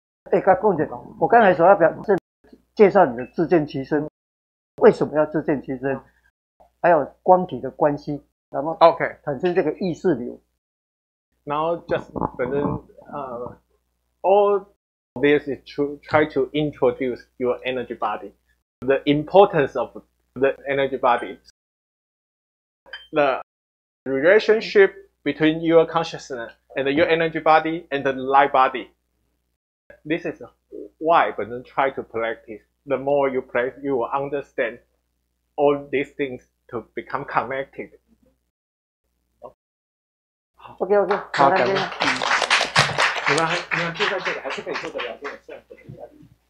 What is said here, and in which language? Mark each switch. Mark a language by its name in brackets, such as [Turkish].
[Chinese] 哎，刚讲着，我刚才说要表示介绍你的自见其身，为什么要自见其身？还有光体的关系，然后 [English] Okay [Chinese] 产生这个意识流。 [English] Now just [Chinese] 反正 [English] all this is to try to introduce your energy body, the importance of the energy body, the relationship. Between your consciousness and your energy body and the light body. This is why, but then try to practice. The more you practice, you will understand all these things to become connected. Okay, okay. [Chinese] 好，感谢。你们还，你们就在这里还是可以做的了解，算是可以了解。